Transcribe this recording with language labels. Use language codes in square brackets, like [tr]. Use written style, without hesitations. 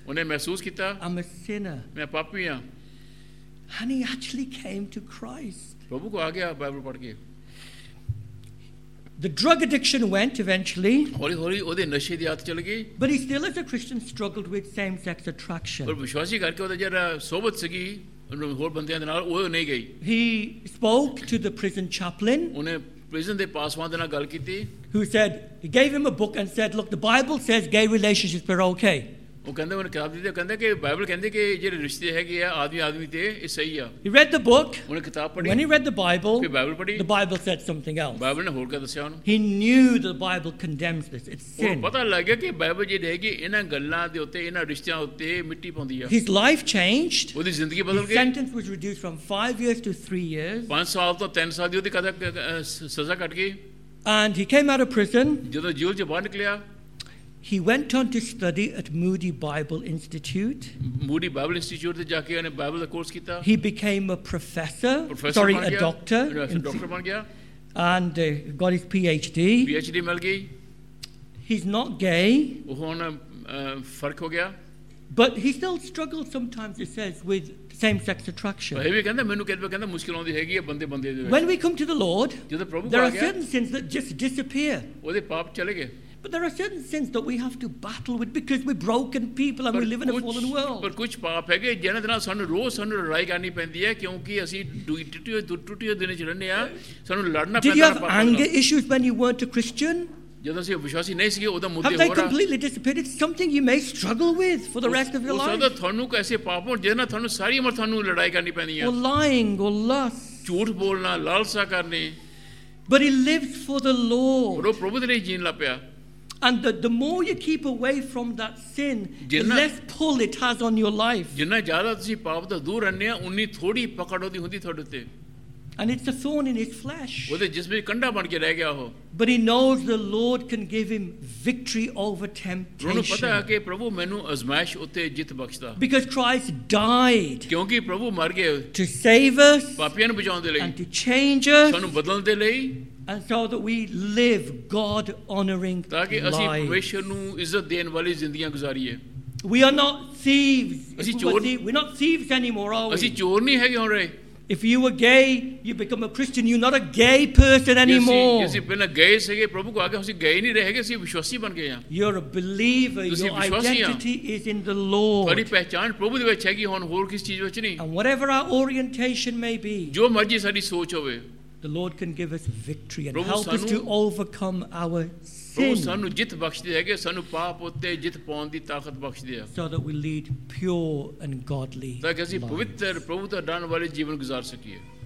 [pa] Unne mehsoos kita, [en] I'm a sinner. [pa] Main papi ha. [en] And he actually came to Christ. [pa] ਪ੍ਰਭੂ ਕੋ ਆ ਗਿਆ Bible ਪੜ੍ਹ ਕੇ [en] The drug addiction went eventually. [pa] Holi holi ode nashe di aadat chal gayi. [en] But he still as a Christian struggled with same sex attraction. [pa] ਪਰ ਵਿਸ਼ਵਾਸੀ ਕਰਕੇ ਉਹਦਾ ਜਿਹੜਾ ਸੋਬਤ ਸੀਗੀ ਉਹਨੂੰ ਹੋਰ ਬੰਦਿਆਂ ਦੇ ਨਾਲ ਉਹ ਨਹੀਂ ਗਈ. [en] He spoke to the prison chaplain. [pa] ਉਹਨੇ ਪ੍ਰਿਜ਼ਨ ਦੇ ਪਾਸਵਾਂ ਦੇ ਨਾਲ ਗੱਲ ਕੀਤੀ. [en] Who said he gave him a book and said look the Bible says gay relationships are okay. [pa] ਉਹ ਕਹਿੰਦੇ ਮੈਨੂੰ ਕਿਤਾਬ ਦਿੱਤੀ, ਉਹ ਕਹਿੰਦੇ ਕਿ ਬਾਈਬਲ ਕਹਿੰਦੇ ਕਿ ਜਿਹੜੇ ਰਿਸ਼ਤੇ ਹੈਗੇ ਆ ਆਦਮੀ ਆਦਮੀ ਤੇ ਇਹ ਸਹੀ ਆ। [en] He read the book. [pa] ਉਹਨੇ ਕਿਤਾਬ ਪੜ੍ਹੀ। [en] When he read the Bible, [pa] ਕਿ ਬਾਈਬਲ ਪੜ੍ਹੀ, [en] the Bible said something else. [pa] Bible ਨੇ ਹੋਰ ਕਹਿ ਦੱਸਿਆ ਉਹਨੂੰ। [en] He knew that the Bible condemns this. It's sin. [pa] ਉਹ ਪਤਾ ਲੱਗ ਗਿਆ ਕਿ ਬਾਈਬਲ ਜਿਹੜੇ ਹੈਗੇ ਇਹਨਾਂ ਗੱਲਾਂ ਦੇ ਉੱਤੇ, ਇਹਨਾਂ ਰਿਸ਼ਤਿਆਂ ਉੱਤੇ ਮਿੱਟੀ ਪਾਉਂਦੀ ਆ। [en] His life changed. [pa] ਉਹਦੀ ਜ਼ਿੰਦਗੀ ਬਦਲ ਗਈ। [en] His sentence was reduced from 5 years to 3 years. [pa] 5 ਸਾਲ ਤੋਂ 3 ਸਾਲ ਦੀ ਉਹਦੀ ਕਦਰ ਸਜ਼ਾ ਕੱਟ ਗਈ। [en] And he came out of prison. [pa] ਜਦੋਂ ਜੇਲ੍ਹ ਚੋਂ ਬਾਹਰ ਨਿਕਲਿਆ, [en] he went on to study at Moody Bible Institute. [pa] Moody Bible Institute ਤੇ ਜਾ ਕੇ ਉਹਨੇ ਬਾਈਬਲ ਦਾ ਕੋਰਸ ਕੀਤਾ। [en] He became a professor, sorry, a doctor. [pa] Doctor ਬਣ ਗਿਆ। [en] And got his PhD. [pa] PhD ਮਿਲ ਗਈ। [en] He's not gay. [pa] ਉਹ ਹੁਣ ਫਰਕ ਹੋ ਗਿਆ। [en] But he still struggles sometimes, it says, with same-sex attraction. [pa] ਇਹ ਵੀ ਕਹਿੰਦਾ ਮੈਨੂੰ ਕਹਿੰਦਾ ਕਹਿੰਦਾ ਮੁਸ਼ਕਿਲ ਆਉਂਦੀ ਹੈਗੀ ਹੈ ਬੰਦੇ ਬੰਦੇ ਦੇ ਵਿੱਚ। [en] When we come to the Lord, [pa] ਜਦੋਂ ਪ੍ਰਭੂ ਕੋਲ ਆ ਗਿਆ, [en] there are certain sins that just disappear. [pa] ਉਹਦੇ ਪਾਪ ਚਲੇ ਗਏ। [en] But there are certain sins that we have to battle with because we're broken people and we live in a fallen world. [pa] ਪਰ ਕੁਝ ਪਾਪ ਹੈਗੇ ਜਿਹਨਾਂ ਦੇ ਨਾਲ ਸਾਨੂੰ ਰੋਜ਼ ਸਾਨੂੰ ਲੜਾਈ ਕਰਨੀ ਪੈਂਦੀ ਹੈ ਕਿਉਂਕਿ ਅਸੀਂ ਟੁੱਟੇ ਦਿਨ 'ਚ ਰਹਿੰਦੇ ਹਾਂ, ਸਾਨੂੰ ਲੜਨਾ ਪੈਂਦਾ ਹੈ। [en] Did you have anger issues when you weren't a Christian? [pa] ਜਦੋਂ ਅਸੀਂ ਵਿਸ਼ਵਾਸੀ ਨਹੀਂ ਸੀਗੇ ਉਹਦਾ ਮੁੱਦੇ ਹੋਰ ਆ। [en] Have they completely disappeared? It's something you may struggle with for the rest of your life. [pa] ਉਹ ਸਦਾ ਤੁਹਾਨੂੰ ਕੈਸੇ ਪਾਪ ਹੋਣ ਜਿਹਨਾਂ ਤੁਹਾਨੂੰ ਸਾਰੀ ਉਮਰ ਤੁਹਾਨੂੰ ਲੜਾਈ ਕਰਨੀ ਪੈਂਦੀ ਹੈ। [en] Or lying, or lust. [pa] ਝੂਠ ਬੋਲਣਾ, ਲਾਲਸਾ ਕਰਨੀ। [en] But he lives for the Lord. [pa] ਉਹ ਪ੍ਰਭੂ ਦੇ ਲਈ ਜੀਣ ਲੱਗ ਪਿਆ। [en] And the more you keep away from that sin, the less pull it has on your life. [pa] ਜਿੰਨਾ ਜ਼ਿਆਦਾ ਤੁਸੀਂ ਪਾਪ ਤੋਂ ਦੂਰ ਰਹਿੰਦੇ ਆ, ਉਨੀ ਥੋੜੀ ਪਕੜ ਉਹਦੀ ਹੁੰਦੀ ਤੁਹਾਡੇ ਉੱਤੇ। [en] And it's a thorn in his flesh. [pa] ਉਹਦੇ ਜਿਸਮ ਵਿੱਚ ਕੰਡਾ ਬਣ ਕੇ ਰਹਿ ਗਿਆ ਉਹ। [en] But he knows the Lord can give him victory over temptation. [pa] ਉਹਨੂੰ ਪਤਾ ਹੈ ਕਿ ਪ੍ਰਭੂ ਮੈਨੂੰ ਅਜ਼ਮਾਇਸ਼ ਉੱਤੇ ਜਿੱਤ ਬਖਸ਼ਦਾ। [en] Because Christ died. [pa] ਕਿਉਂਕਿ ਪ੍ਰਭੂ ਮਰ ਗਿਆ। [en] To save us. [pa] ਪਾਪੀਆਂ ਨੂੰ ਬਚਾਉਣ ਦੇ ਲਈ। [en] And to change us. [pa] ਸਾਨੂੰ ਬਦਲਣ ਦੇ ਲਈ। [en] And so that we live God-honoring lives. [pa] ਤਾਂ ਕਿ ਅਸੀਂ ਪਰਮੇਸ਼ਰ ਨੂੰ ਇੱਜ਼ਤ ਦੇਣ ਵਾਲੀ ਜ਼ਿੰਦਗੀਆਂ ਗੁਜ਼ਾਰੀਏ। [en] We are not thieves. [pa] ਅਸੀਂ ਚੋਰ ਨਹੀਂ। [en] We're not thieves anymore, are we? [pa] ਅਸੀਂ ਚੋਰ ਨਹੀਂ ਹੈਗੇ ਹੁਣ ਰੇ। [en] If you were gay, you become a Christian, you're not a gay person anymore. [pa] ਜੇ ਤੁਸੀਂ ਬਿਨਾਂ ਗਏ ਸੀਗੇ ਪ੍ਰਭੂ ਕੋ ਆ ਕੇ ਤੁਸੀਂ ਗਏ ਨਹੀਂ ਰਹੇਗੇ, ਤੁਸੀਂ ਵਿਸ਼ਵਾਸੀ ਬਣ ਗਏ ਆ। [en] You're a believer, your identity is in the Lord. [pa] ਤੁਹਾਡੀ ਪਹਿਚਾਣ ਪ੍ਰਭੂ ਦੇ ਵਿੱਚ ਹੈਗੀ, ਹੁਣ ਹੋਰ ਕਿਸ ਚੀਜ਼ ਵਿੱਚ ਨਹੀਂ। [en] And whatever our orientation may be, [pa] ਜੋ ਮਰਜ਼ੀ ਸਾਡੀ ਸੋਚ ਹੋਵੇ, [en] the Lord can give us victory and help us to overcome our sin. [pa] ਪ੍ਰਭੂ ਸਾਨੂੰ ਜਿੱਤ ਬਖਸ਼ਦੇ ਹੈਗੇ, ਸਾਨੂੰ ਪਾਪ ਉੱਤੇ ਜਿੱਤ ਪਾਉਣ ਦੀ ਤਾਕਤ ਬਖਸ਼ਦੇ ਆ। [en] So that we lead pure and godly. [pa] ਤਾਂ ਕਿ ਅਸੀਂ ਪਵਿੱਤਰ ਪ੍ਰਭੂ ਦਾ ਡਰਨ ਵਾਲੇ ਜੀਵਨ ਗੁਜ਼ਾਰ ਸਕੀਏ।